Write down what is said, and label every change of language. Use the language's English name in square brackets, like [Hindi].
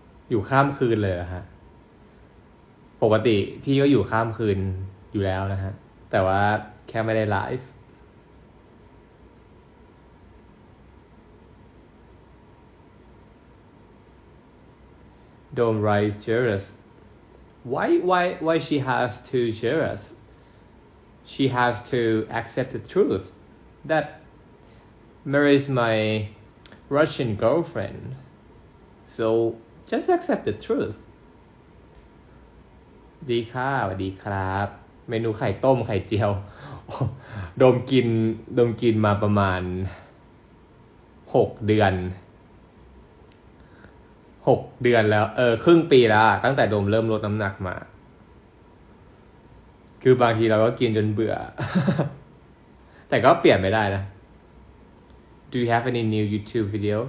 [Thai] อยู่ข้ามคืนเลยฮะปกติพี่ก็อยู่ข้ามคืนอยู่แล้วนะฮะแต่ว่าแค่ไม่ได้ไลฟ์ [English] Don't raise jealous. Why she has to jealous? She has to accept the truth that Mary is my Russian girlfriend. So just accept the truth. [Thai] ดีค่ะสวัสดีครับเมนูไข่ต้มไข่เจียวโดมกินมาประมาณ6เดือน6เดือนแล้วครึ่งปีแล้วตั้งแต่โดมเริ่มลดน้ำหนักมาคือบางทีเราก็กินจนเบื่อ แต่ก็เปลี่ยนไม่ได้นะ [English] Do you have any new YouTube video?